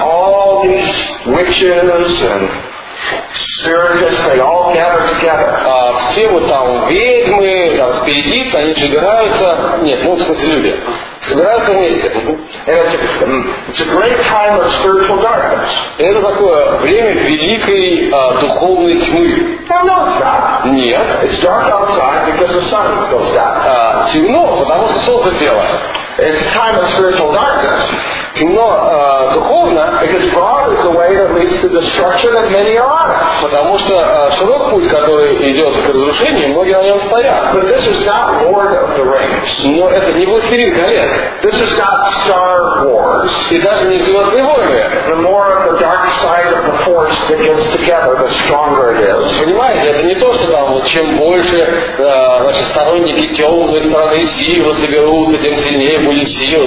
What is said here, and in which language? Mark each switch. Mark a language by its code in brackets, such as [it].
[en] all these witches and circus, they all gather together. [ru] Все вот там ведьмы, там спиритисты, они собираются, нет, ну в смысле люди, собираются вместе. [en] It's a great time of spiritual darkness. [ru] Это такое время великой духовной тьмы. Нет. [en] It's dark outside because the sun goes down. [ru] Темно, потому что солнце село. [en] It's time of spiritual darkness. [ru] Темно духовно. [en] Because broad is the way that leads to destruction that many are on. [ru] Потому что широк путь, который идет к разрушению, многие на нем стоят. [en] But this is not Lord of the Rings. [ru] Но это не Властелин колец. [en] This is not Star Wars. [ru] И даже не Звездные войны. [en] The more of the dark side of the force that gets together, the stronger it is. [ru] Понимаете, это не то, что там вот чем больше значит, сторонники темной стороны силы соберутся, тем сильнее будет сила.